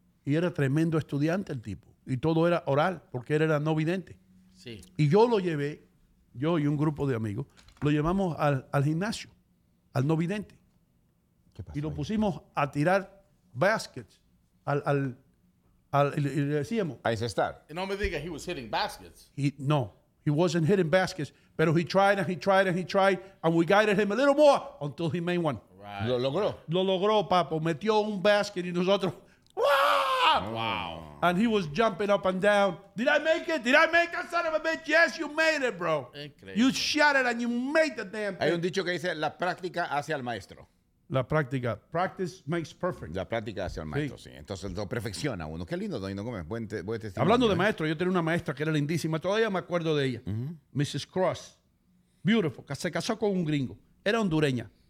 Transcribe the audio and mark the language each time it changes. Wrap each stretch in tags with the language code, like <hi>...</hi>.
<es>Y era tremendo estudiante el tipo. Y todo era oral, porque él era no vidente. Sí. Y yo lo llevé, yo y un grupo de amigos, lo llevamos al gimnasio, al no vidente. ¿Qué pasó y lo ahí? Pusimos a tirar baskets al y le decíamos... A encestar. No me diga,</es> <en>he was hitting baskets. No, he wasn't hitting baskets. Pero he tried and he tried and he tried and we guided him a little more until he made one. Right.</en> <es>Lo logró. Lo logró, papo. Metió un basket y nosotros... ¡Wah!</es> <en>Wow. And he was jumping up and down. Did I make it? Did I make it, son of a bitch? Yes, you made it, bro.</en> <es>Increíble.</es> <en>You shot it and you made the damn thing.</en> <es>Hay un dicho que dice, la práctica hace al maestro. La práctica.</es> <en>Practice makes perfect.</en> <es>La práctica hacia el maestro, sí. Entonces lo perfecciona uno. Qué lindo, Doino Gómez. Buen testimonio. Hablando de maestro, yo tenía una maestra que era lindísima. Todavía me acuerdo de ella. Uh-huh. Mrs. Cross. Beautiful. Se casó con un gringo. Era hondureña.</es>